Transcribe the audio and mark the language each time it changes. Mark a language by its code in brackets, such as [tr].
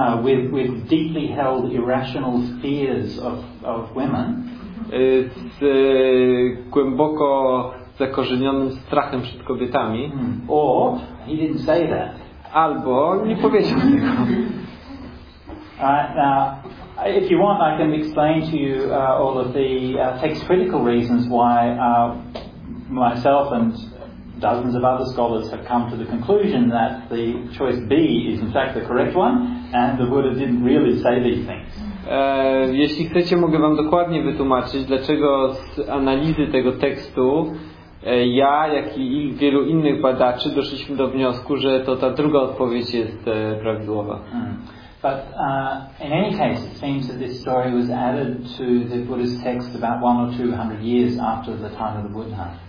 [en] With deeply held irrational fears of women. [pl] Z głęboko zakorzenionym strachem przed kobietami. [en] Or he didn't say that. [pl] Albo nie powiedział tego. [en] Now, if you want, I can explain to you all of the text critical reasons why myself and dozens of other scholars have come to the conclusion that the choice B is in fact the correct one, and the Buddha didn't really say these things. [pl] Jeśli chcecie, mogę wam dokładnie wytłumaczyć, dlaczego z analizy tego tekstu ja, jak i wielu innych badaczy doszliśmy do wniosku, że to ta druga odpowiedź jest prawidłowa. [en] But in any case, it seems that this story was added to the Buddhist text about 100 or 200 years after the time of the Buddha.